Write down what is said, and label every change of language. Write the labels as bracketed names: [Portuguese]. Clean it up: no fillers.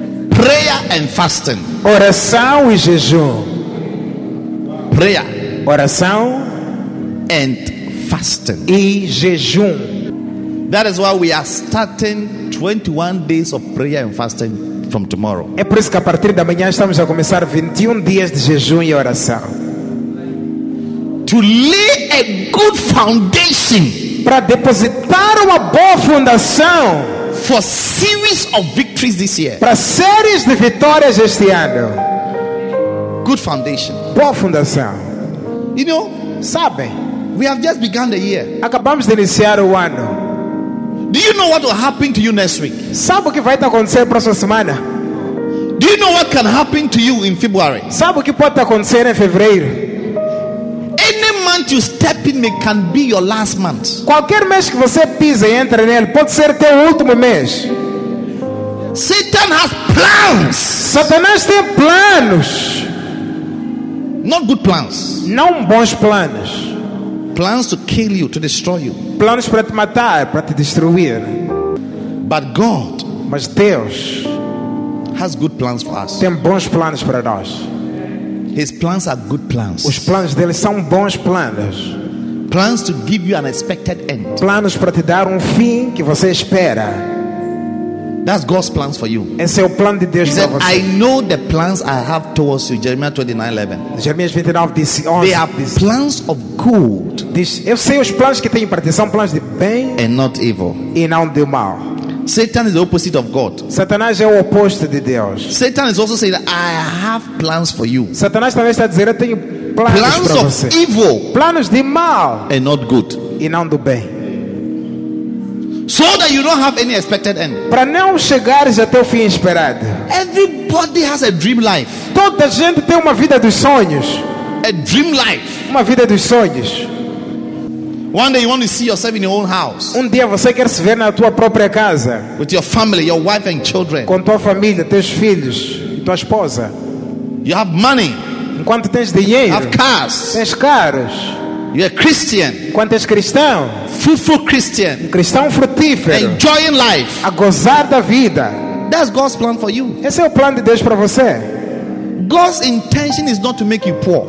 [English] Prayer and fasting. [Portuguese] Oração e jejum. [English] Prayer. [Portuguese] Oração. [English] And fasting. [Portuguese] E jejum. [English] That is why we are starting 21 days of prayer and fasting from tomorrow. [Portuguese] É por isso que a partir da manhã estamos a começar 21 dias de jejum e oração. [English] To lay a good foundation. [Portuguese] Para depositar uma boa fundação. [English] For series of victories this year. [Portuguese] Para séries de vitórias este ano. [English] Good foundation. [Portuguese] Boa fundação. [English] You know, [Portuguese] sabe? [English] We have just begun the year. [Portuguese] Acabamos de iniciar o ano. [English] Do you know what will happen to you next week? [Portuguese] Sabe o que vai acontecer próxima semana? [English] Do you know what can happen to you in February? [Portuguese] Sabe o que pode acontecer em fevereiro? [English] You step in me can be your last month. [Portuguese] Qualquer mês que você pisa e entra nele pode ser teu último mês. [English] Satan has plans. [Portuguese] Satanás tem planos. [English] Not good plans. [Portuguese] Não bons planos. [English] Plans to kill you, to destroy you. [Portuguese] Planos para te matar, para te destruir. [English] But God, [Portuguese] mas Deus, [English] has good plans for us. [Portuguese] Tem bons planos para nós. [English] His plans are good plans. [Portuguese] Os planos dele são bons planos. [English] Plans to give you an expected end. [Portuguese] Planos para te dar fim que você espera. [English] That's God's plans for you. [Portuguese] Esse é o plano de Deus para você. [English] I know the plans I have towards you. Jeremiah 29:11. They are plans of good. [Portuguese] Eu sei os planos que tenho para ti. São planos de bem. [English] And not evil. [Portuguese] E não de mal. [English] Satan is the opposite of God. [Portuguese] Satanás é o oposto de Deus. [English] Satan is also saying that I have plans for you. [Portuguese] Satanás também está dizendo eu tenho planos para você. [English] Plans of evil. [Portuguese] Planos de mal. [English] And not good. [Portuguese] E não do bem. [English] So that you don't have any expected end. [Portuguese] Para não chegares até o fim esperado. [English] Everybody has a dream life. [Portuguese] Toda gente tem uma vida dos sonhos. [English] A dream life. [Portuguese] Uma vida dos sonhos. [English] One day you want to see yourself in your own house. [Portuguese] Um dia você quer se ver na tua própria casa. [English] With your family, your wife and children. [Portuguese] Com tua família, teus filhos, tua esposa. [English] You have money. [Portuguese] Enquanto tens dinheiro. [English] You have cars. [Portuguese] Tens carros. [English] You are Christian. [Portuguese] Enquanto és cristão. [English] Fruitful Christian. [Portuguese] Um cristão frutífero. [English] Enjoying life. [Portuguese] A gozar da vida. [English] That's God's plan for you. [Portuguese] Esse é o plano de Deus para você. [English] God's intention is not to make you poor.